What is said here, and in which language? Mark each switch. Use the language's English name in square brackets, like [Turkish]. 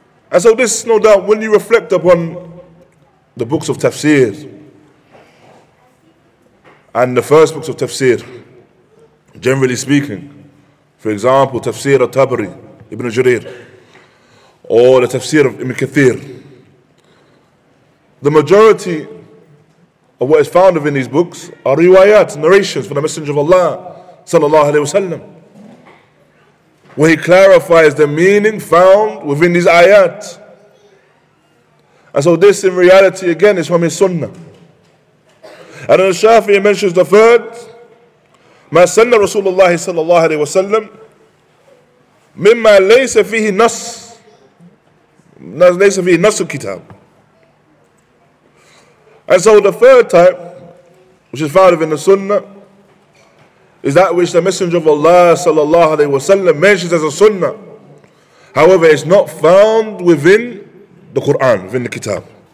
[English] And so this, no doubt, when you reflect upon the books of tafsir and the first books of tafsir, generally speaking, for example, tafsir al-Tabari, Ibn Jarir, or the tafsir of Ibn Kathir, the majority of what is found within these books are riwayat, narrations from the Messenger of Allah sallallahu alayhi wasallam, where he clarifies the meaning found within these ayat. And so this in reality again is from his sunnah. And then Shafi'i mentions the third, [Arabic] ما سنة رسول الله صلى الله عليه وسلم مما ليس فيه نص ليس فيه نص الكتاب. [English] And so the third type, which is found in the sunnah, is that which the Messenger of Allah صلى الله عليه وسلم mentions as a sunnah. However, it's not found within the Qur'an, within the kitab.